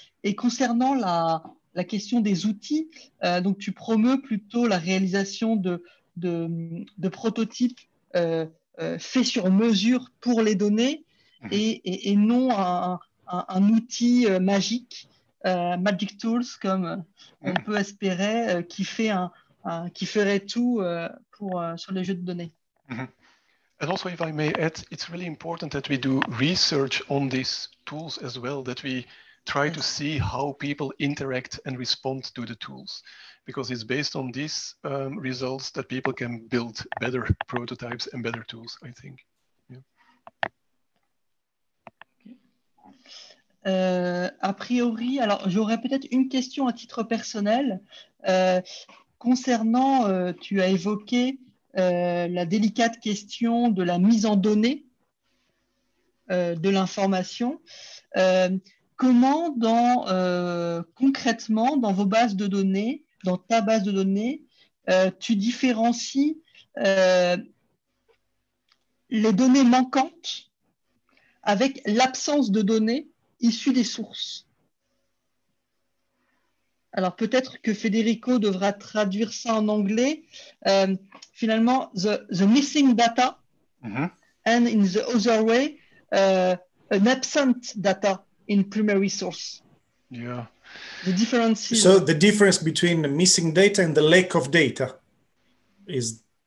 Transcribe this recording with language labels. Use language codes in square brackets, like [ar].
[fr] Et concernant la question des outils, donc tu promeus plutôt la réalisation de prototypes faits sur mesure pour les données et non un outil magique, [en] magic tools, [fr] comme on peut espérer, qui ferait tout sur les jeux de données. [en] And also, if I may add, it's really important that we do research on these tools as well, that we try to see how people interact and respond to the tools, because it's based on these results that people can build better prototypes and better tools, I think. [fr] A priori, alors j'aurais peut-être une question à titre personnel concernant, tu as évoqué la délicate question de la mise en données de l'information. Comment concrètement dans vos bases de données, dans ta base de données, tu différencies les données manquantes avec l'absence de données issues des sources? Alors, peut-être que Federico devra traduire ça en anglais. Finalement, [en] the missing data, and in the other way, an absent data in primary source. Yeah. The difference is... So, the difference between the missing data and the lack of data is...